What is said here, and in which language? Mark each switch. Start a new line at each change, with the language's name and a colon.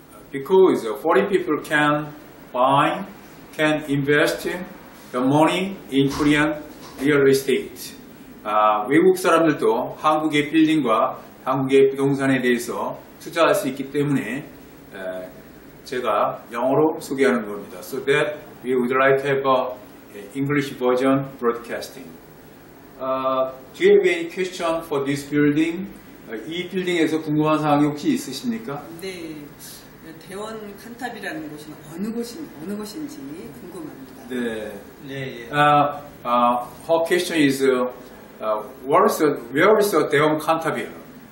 English: Because foreign people can buy, can invest the money in Korean real estate.
Korean: 외국 사람들도 한국의 빌딩과 한국의 부동산에 대해서 투자할 수 있기 때문에 제가 영어로 소개하는 겁니다.
English: So that we would like to have a English version broadcasting. Do you have any question for this building?
Korean: 이 빌딩에서 궁금한 사항이 혹시 있으십니까? 네, 대원 칸탑이라는 곳이 어느 곳인지 궁금합니다.
English: 네. Her question is, where is the 대원 칸탑이에요?